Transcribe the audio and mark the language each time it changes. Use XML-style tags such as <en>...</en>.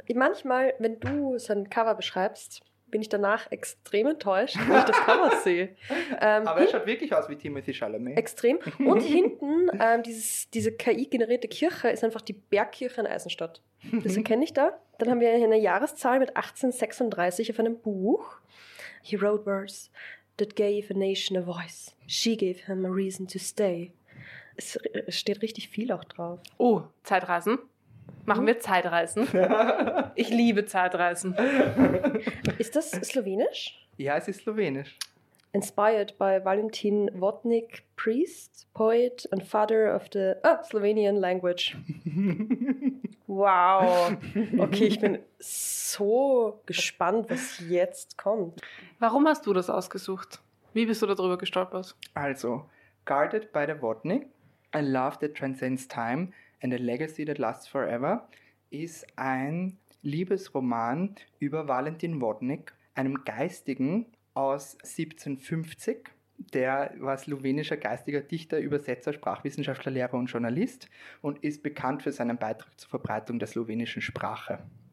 <de>Manchmal, wenn du sein Cover beschreibst, bin ich danach extrem enttäuscht, wenn ich das Cover sehe. Aber er schaut wirklich aus wie Timothée Chalamet. Extrem. Und hinten, diese KI-generierte Kirche, ist einfach die Bergkirche in Eisenstadt. Das erkenne ich da. Dann haben wir eine Jahreszahl mit 1836 auf einem Buch.</de> <en>He wrote words that gave a nation a voice. She gave him a reason to stay.</en> <de>Es steht richtig viel auch drauf. Oh, Zeitreisen. Machen wir Zeitreisen. Ich liebe Zeitreisen. Ist das slowenisch? Ja, es ist slowenisch.</de> <en>Inspired by Valentin Votnik, priest, poet and father of the Slovenian language. Wow. Okay, ich bin</en> <de>so gespannt, was jetzt kommt. Warum hast du das ausgesucht? Wie bist du darüber gestolpert? Also, Guarded by the Wotnik, A Love That Transcends Time and A Legacy That Lasts Forever ist ein Liebesroman über Valentin Wotnik, einem Geistigen aus 1750, der war slowenischer geistiger Dichter, Übersetzer, Sprachwissenschaftler, Lehrer und Journalist und ist bekannt für seinen Beitrag zur Verbreitung der slowenischen Sprache.</de>